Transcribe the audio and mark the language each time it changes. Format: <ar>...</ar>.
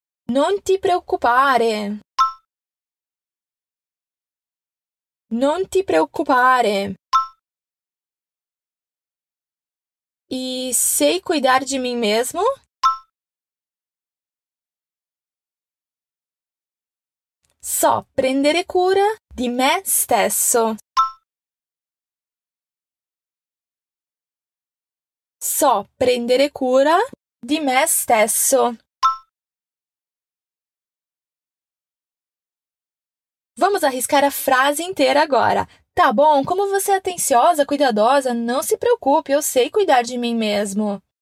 <it>Non ti preoccupare. Non ti preoccupare.</it> <pt>E sei cuidar de mim mesmo?</pt> <it>So prendere cura di me stesso. So prendere cura di me stesso.</it> <pt>Vamos arriscar a frase inteira agora. Tá bom, como você é atenciosa, cuidadosa, não se preocupe, eu sei cuidar de mim mesmo.</pt>